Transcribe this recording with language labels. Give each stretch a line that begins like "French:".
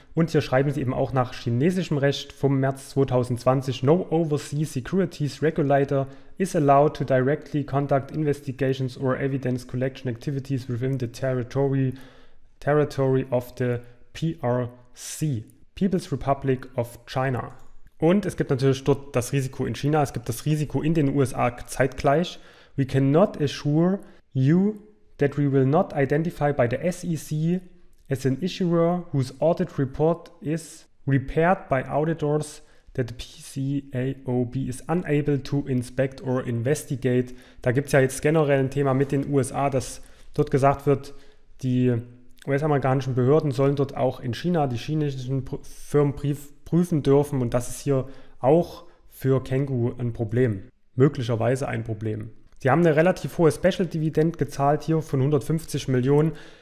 German: Und hier schreiben sie eben auch nach chinesischem Recht vom März 2020:
English: No overseas securities regulator is allowed to directly conduct investigations or evidence collection activities within the territory of the PRC. People's Republic of China.
German: Und es gibt natürlich dort das Risiko in China, es gibt das Risiko in den USA zeitgleich.
English: We cannot assure you that we will not identify by the SEC as an issuer whose audit report is prepared by auditors that the PCAOB is unable to inspect or investigate.
German: Da gibt es ja jetzt generell ein Thema mit den USA, dass dort gesagt wird, die US-amerikanischen Behörden sollen dort auch in China die chinesischen Firmen prüfen dürfen. Und das ist hier auch für Kangaroo ein Problem, möglicherweise ein Problem. Sie haben eine relativ hohe Special-Dividend gezahlt hier von 150 Millionen.